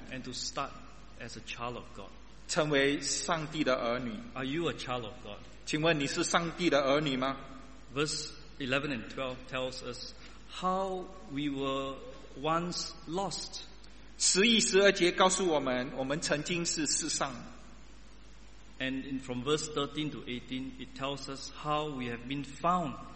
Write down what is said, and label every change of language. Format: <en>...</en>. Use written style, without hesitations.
<en>And to start as a child of God.</en> <zh>成为上帝的儿女。</zh> <en>Are you a child of God?</en> <zh>请问你是上帝的儿女吗？</zh> <en>Verse 11 and 12 tells us how we were once lost.</en> <zh>11、12节告诉我们，我们曾经是世上。</zh> <en>And in, from verse 13 to 18, it tells us how we have been found.</en>